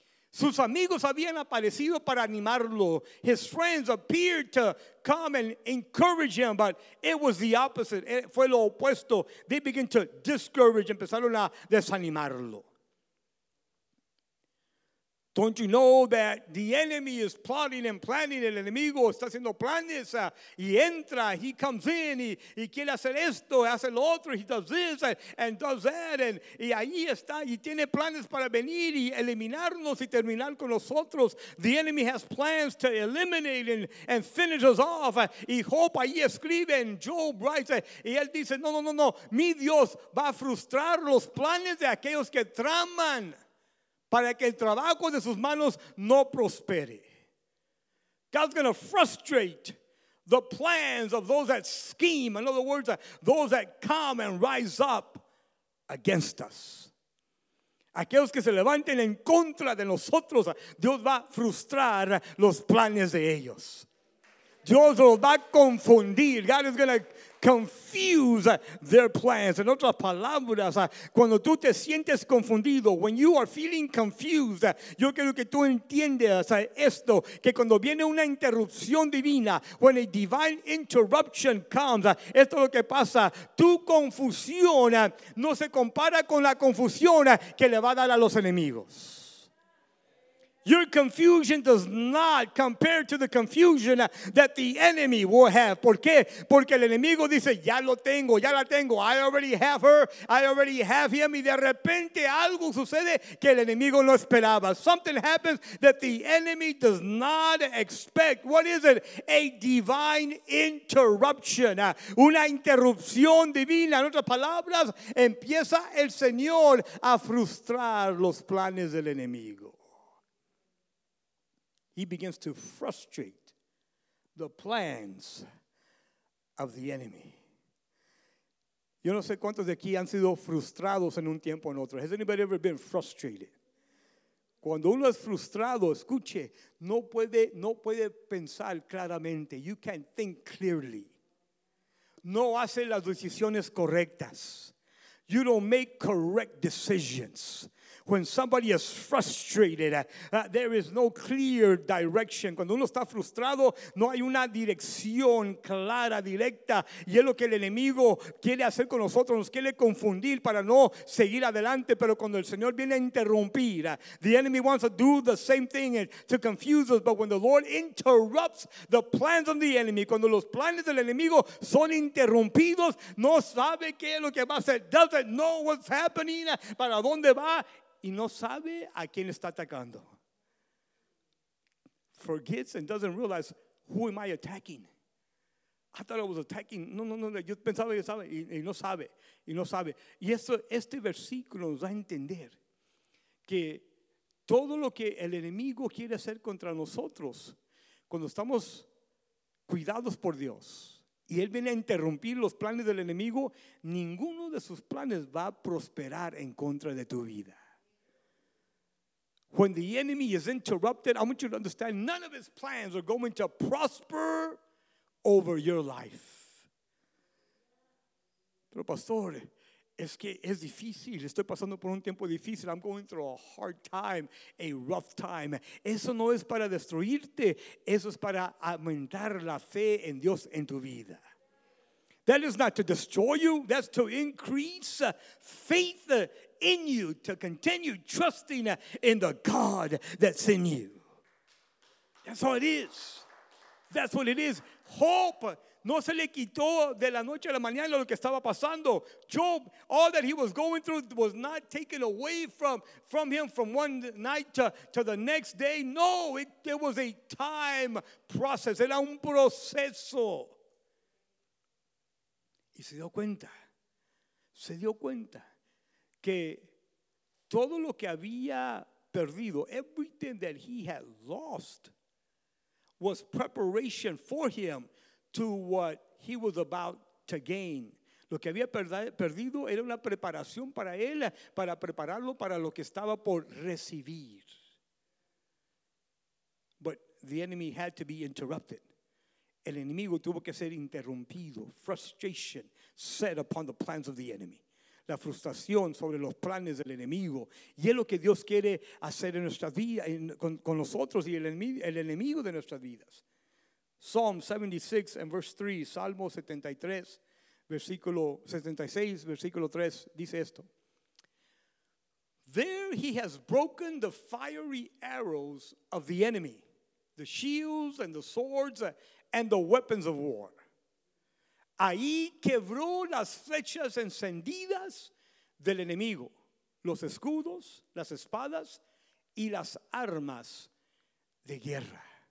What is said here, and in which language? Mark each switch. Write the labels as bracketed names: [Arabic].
[Spanish] Sus amigos habían aparecido para animarlo. [English] His friends appeared to come and encourage him, but it was the opposite. [Spanish] Fue lo opuesto. [English] They began to discourage. [Spanish] Empezaron a desanimarlo. [English] Don't you know that the enemy is plotting and planning? [Spanish] El enemigo está haciendo planes. Y entra, [English] he comes in, [Spanish] y quiere hacer esto, hace lo otro, [English] he does this and does that. [Spanish] Y ahí está, y tiene planes para venir y eliminarnos y terminar con nosotros. [English] The enemy has plans to eliminate and finish us off. [Spanish] Y Job ahí escribe, [English] and Job writes, [Spanish] y él dice, no, mi Dios va a frustrar los planes de aquellos que traman, para que el trabajo de sus manos no prospere. [English] God's going to frustrate the plans of those that scheme. In other words, those that come and rise up against us. [Spanish] Aquellos que se levanten en contra de nosotros, Dios va a frustrar los planes de ellos. Dios los va a confundir. [English] God is going to confuse their plans. [Spanish] En otras palabras, cuando tú te sientes confundido, [English] when you are feeling confused, [Spanish] yo quiero que tú entiendas esto, que cuando viene una interrupción divina, [English] when a divine interruption comes, [Spanish] esto es lo que pasa. Tu confusión no se compara con la confusión que le va a dar a los enemigos. [English] Your confusion does not compare to the confusion that the enemy will have. [Spanish] ¿Por qué? Porque el enemigo dice, ya lo tengo, ya la tengo. [English] I already have her, I already have him. [Spanish] Y de repente algo sucede que el enemigo no esperaba. [English] Something happens that the enemy does not expect. What is it? A divine interruption. [Spanish] Una interrupción divina. En otras palabras, empieza el Señor a frustrar los planes del enemigo. [English] He begins to frustrate the plans of the enemy. [Spanish] Yo no sé cuántos de aquí han sido frustrados en un tiempo o en otro. [English] Has anybody ever been frustrated? [Spanish] Cuando uno es frustrado, escuche, no puede pensar claramente. [English] You can't think clearly. [Spanish] No hace las decisiones correctas. [English] You don't make correct decisions. When somebody is frustrated, there is no clear direction. [Spanish] Cuando uno está frustrado, no hay una dirección clara, directa. Y es lo que el enemigo quiere hacer con nosotros. Nos quiere confundir para no seguir adelante. Pero cuando el Señor viene a interrumpir, [English] the enemy wants to do the same thing to confuse us. But when the Lord interrupts the plans of the enemy, [Spanish] cuando los planes del enemigo son interrumpidos, no sabe qué es lo que va a hacer. [English] Doesn't know what's happening, [Spanish] para dónde va. Y no sabe a quién está atacando. [English] Forgets and doesn't realize, who am I attacking? I thought I was attacking. [Spanish] No. Yo pensaba que sabe y no sabe. Y eso, este versículo nos da a entender que todo lo que el enemigo quiere hacer contra nosotros, cuando estamos cuidados por Dios y él viene a interrumpir los planes del enemigo, ninguno de sus planes va a prosperar en contra de tu vida. [English] When the enemy is interrupted, I want you to understand, none of his plans are going to prosper over your life. [Spanish] Pero pastor, es que es difícil, estoy pasando por un tiempo difícil, [English] I'm going through a hard time, a rough time. [Spanish] Eso no es para destruirte, eso es para aumentar la fe en Dios en tu vida. [English] That is not to destroy you, that's to increase faith in you, to continue trusting in the God that's in you. That's how it is. That's what it is. Hope. [Spanish] No se le quitó de la noche a la mañana lo que estaba pasando. [English] Job, all that he was going through was not taken away from him from one night to the next day. No, it was a time process. [Spanish] Era un proceso. Y se dio cuenta. Se dio cuenta que todo lo que había perdido, [English] everything that he had lost, was preparation for him to what he was about to gain. [Spanish] Lo que había perdido era una preparación para él, para prepararlo para lo que estaba por recibir. [English] But the enemy had to be interrupted. [Spanish] El enemigo tuvo que ser interrumpido. [English] Frustration set upon the plans of the enemy. [Spanish] La frustración sobre los planes del enemigo. Y es lo que Dios quiere hacer en nuestra vida, con nosotros y el enemigo de nuestras vidas. [English] Psalm 76 and verse 3, [Spanish] Salmo 73, versículo 76, versículo 3, dice esto. [English] There he has broken the fiery arrows of the enemy, the shields and the swords and the weapons of war. [Spanish] Ahí quebró las flechas encendidas del enemigo, los escudos, las espadas y las armas de guerra.